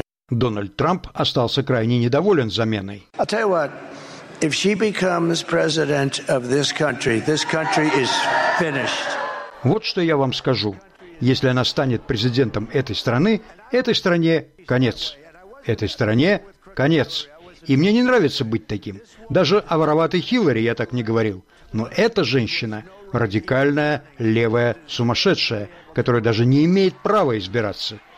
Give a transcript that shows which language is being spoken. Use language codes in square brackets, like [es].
[ru] Дональд Трамп остался крайне недоволен заменой. [en] I'll tell you what, if she becomes president of this country is finished. [ru] Вот что я вам скажу. Если она станет президентом этой стране конец. Этой стране конец. И мне не нравится быть таким. Даже о вороватой Хиллари я так не говорил. Но эта женщина – радикальная, левая, сумасшедшая, которая даже не имеет права избираться.